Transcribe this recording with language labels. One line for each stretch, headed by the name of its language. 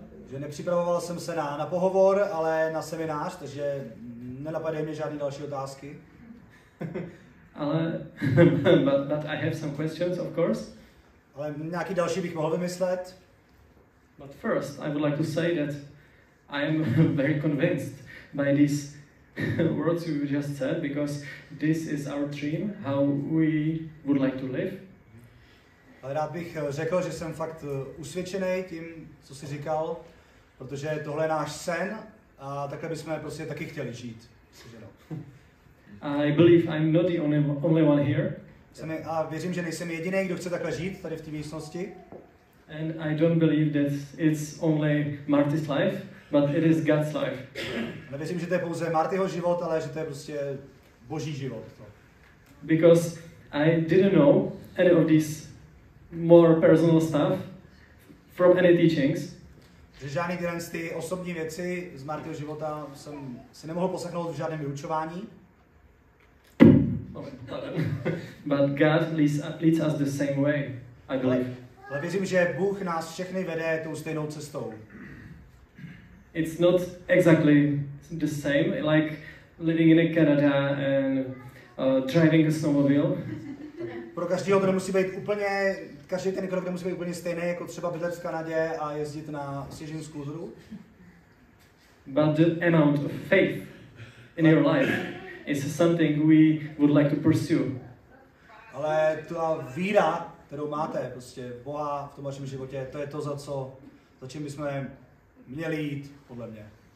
Czech: Že nepřipravoval jsem se na pohovor, ale na seminář, takže nenapadají mě žádné další otázky. Ale,
English: but I have some questions, of course.
Czech: Ale nějaký další bych mohl vymyslet.
English: But first, I would like to say that I am very convinced by this words you just said, because this is our dream, how we would like to live.
Czech: Ale rád bych řekl, že jsem fakt usvědčený tím, co jsi říkal, protože tohle je náš sen a takhle bychom prostě taky chtěli žít.
English: I believe I'm not the only one here.
Czech: A věřím, že nejsem jediný, kdo chce takhle žít tady v té místnosti.
English: And I don't believe that it's only Marty's life. But it is God's life.
Czech: Nevěřím, že to je pouze Martyho život, ale že to je prostě Boží život. To.
English: Because I didn't know any of these more personal stuff from any teachings.
Czech: že žádný tyhle ty osobní věci z Martyho života jsem si nemohl poslechnout v žádném vyučování.
English: But God leads us the same way, I believe.
Czech: Ale věřím, že Bůh nás všechny vede tou stejnou cestou.
English: It's not exactly the same, like living in Canada and driving a snowmobile.
Czech: Pro každého to musí být úplně, každý ten krok musí být úplně stejný, jako třeba bydlet v Kanadě a jezdit na sněžním skútru.
English: But the amount of faith in your life is something we would like to pursue.
Czech: Ale ta víra, kterou máte, prostě Boha v tom vašem životě, to je to, za co, za čím bychom měli jít, podle mě.